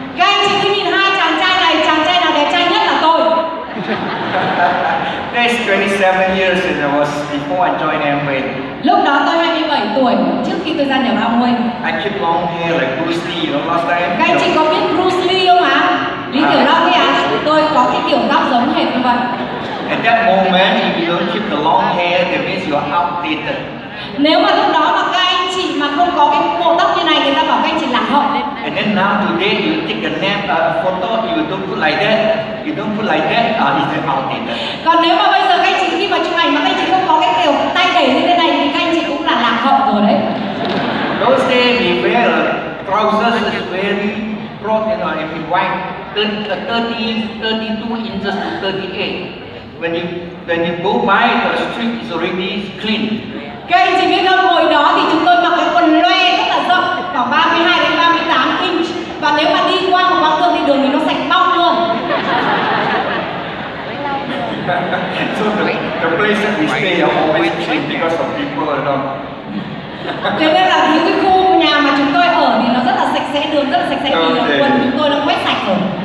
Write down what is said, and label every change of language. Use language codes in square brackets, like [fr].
[vi] Các anh chị cứ nhìn hai chàng trai nào đẹp trai nhất là tôi. [en] That's 27 years since I was before I joined Amway. [vi] Lúc đó tôi 27 tuổi trước khi tôi gia nhập Amway. [en] I keep long hair like Bruce Lee, you know, last time. [vi] Các anh chị có biết Bruce Lee không ạ? Lý kiểu đó kìa, tôi có cái kiểu tóc giống hệt như vậy. [en] At that moment, if you don't keep the long hair, that means you are outdated. [vi] Nếu mà lúc đó mà các anh chị mà không có cái bộ tóc như này, người ta bảo các anh chị lạc hậu. [en] And then now today you take a nap, photo, you don't put like that, it's the outdated. [vi] Còn nếu mà bây giờ các anh chị khi mà chụp ảnh mà các anh chị không có cái kiểu tay đẩy như thế này thì các anh chị cũng là lạc hậu rồi đấy. [en] Those days we wear trousers is very broad, you know, if you wide, 32 inches to 38. When you go by the street, it's already clean. [vi] Các anh chị biết không, hồi đó thì chúng tôi mặc cái quần loe rất là rộng, khoảng 32 đến 38 inch. Và nếu mà đi qua một quán cơm thì đường thì nó sạch bong luôn. [en] So the place that we stay are always clean because of people around. [vi] Thế nên là những cái khu nhà mà chúng tôi ở thì nó rất là sạch sẽ, đường rất là sạch sẽ, okay. Vì quần chúng tôi nó quét sạch rồi.